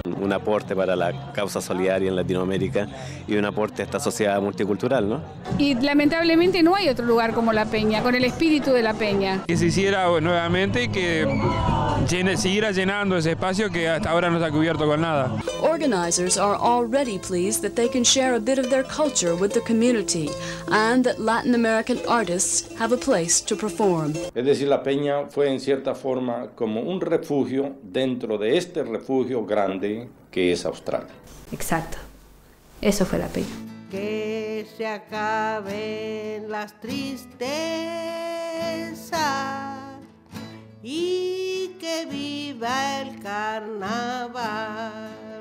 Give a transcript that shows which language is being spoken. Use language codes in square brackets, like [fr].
[es] Un aporte para la causa solidaria en Latinoamérica y un aporte a esta sociedad multicultural, ¿no? Y lamentablemente no hay otro lugar como La Peña, con el espíritu de La Peña. Que se hiciera nuevamente y que siguiera llenando ese espacio que hasta ahora no se ha cubierto con nada. [en] Organizers are already pleased that they can share a bit of their culture with the community and that Latin American artists have a place to perform. [es] Es decir, La Peña fue en cierta forma como un refugio dentro de este refugio grande que es Australia. Exacto. Eso fue La Peña. Que se acaben las tristezas y que viva el carnaval.